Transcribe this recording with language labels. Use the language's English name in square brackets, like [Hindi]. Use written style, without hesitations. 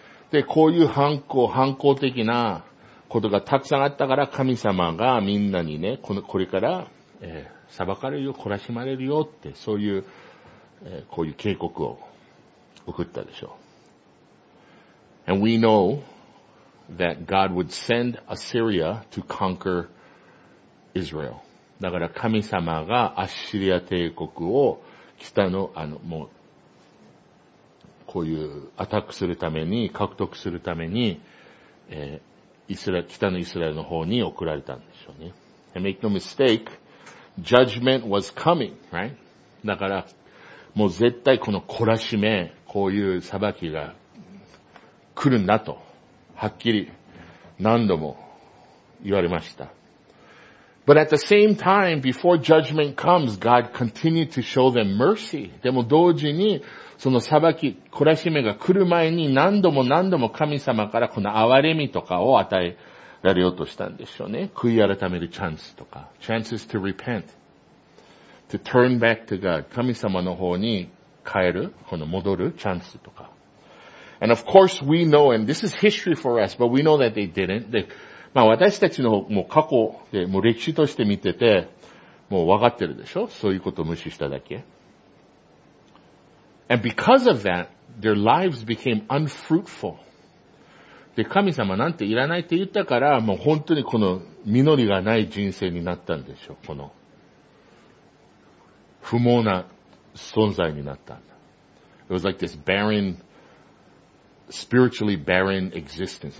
[Japanese] で、こういう反抗的なことがたくさんあったから、神様がみんなにね、これから、裁かれるよ、懲らしまれるよって、そういう、こういう警告を送ったでしょう。 [English] And we know that God would send Assyria to conquer Israel. [Japanese] だから神様がアッシリア帝国を北のもう、こういうアタックするために、獲得するために、北のイスラエルの方に送られたんでしょうね。 [English] And make no mistake, judgment was coming, right? [Japanese] だから、もう絶対この懲らしめ、こういう裁きが来るんだと、はっきり何度も言われました。 [English] But at the same time, before judgment comes, God continued to show them mercy. [Japanese] でも同時に、その裁き、懲らしめが来る前に何度も何度も神様からこの憐れみとかを与えられようとしたんでしょうね。悔い改めるチャンスとか。 [English] Chances to repent. To turn back to God. [Japanese] 神様の方に帰る、この戻るチャンスとか。 [English] And of course we know, and this is history for us, but we know that they didn't. [Japanese] まあ私たちのもう過去で、もう歴史として見てて、もう分かってるでしょ? そういうことを無視しただけ。 [English] And because of that, their lives became unfruitful. [Japanese] で、神様なんていらないって言ったから、もう本当にこの実りがない人生になったんでしょ? この、不毛な存在になったんだ。 [English] It was like this barren, spiritually barren existence.